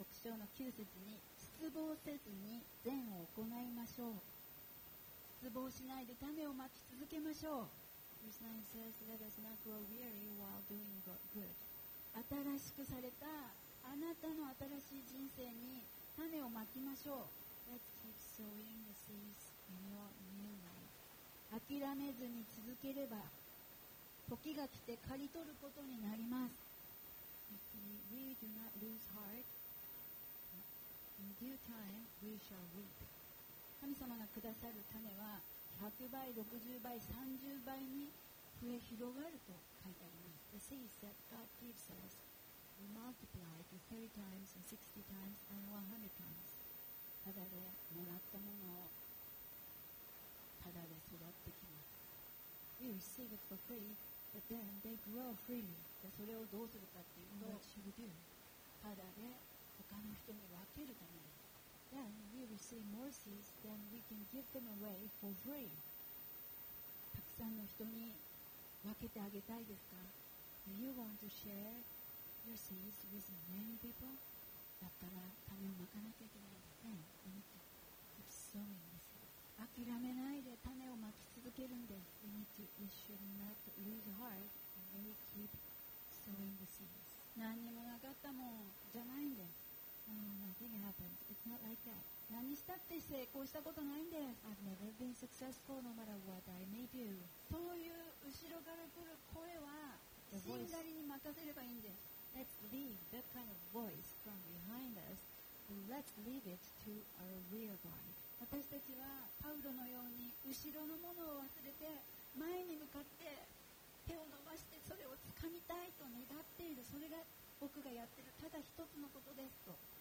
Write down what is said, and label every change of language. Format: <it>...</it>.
<ja>牧師の9節に失望せずに善を行いましょう。失望しないで種をまき続けましょう。</ja> <en>Verse 9 says, Let us not grow weary while doing good.</en> <ja>新しくされたあなたの新しい人生に種をまきましょう。</ja> <en>Let's keep sowing the seeds in your new life.</en> <ja>諦めずに続ければ時が来て刈り取ることになります。</ja> <en>If we really do not lose heart,In due time, we shall reap.</en> <ja>神様がくださる種は100倍、60倍、30倍に増え広がると書いてあります。</ja> <en>The seeds that God gives us will multiply to 30 times and 60 times and 100 times.</en> <ja>ただでもらったものをただで育ってきます。</ja> <en>We receive it for free, but then they grow freely.</en> <ja>でそれをどうするかっていうと、</ja> <en>What should we do?</en> <ja>ただで他の人に分けるためです。</ja> <en>Then we receive more seeds, then we can give them away for free.</en> <ja>たくさんの人に分けてあげたいですか?</ja> <en>Do you want to share your seeds with many people?</en> <ja>だったら種をまかなきゃいけないですね。</ja> <en>We need to keep sowing the seeds.</en> <ja>諦めないで種をまき続けるんです。</ja> <en>We need to, we should not lose heart and we keep sowing the seeds.</en> <ja>何にもなかったもんじゃないんです。</ja> <en>Nothing happens. It's not like that.</en> <ja>何したって成功したことないんです。</ja> <en>I've never been successful no matter what I may do.</en> <ja>そういう後ろから来る声は神なりに任せればいいんです。</ja> <en>Let's leave that kind of voice from behind us. Let's leave it to our real God.</en> <ja>私たちはパウロのように後ろのものを忘れて前に向かって手を伸ばしてそれを掴みたいと願っている。それが僕がやっているただ一つのことですと。</ja>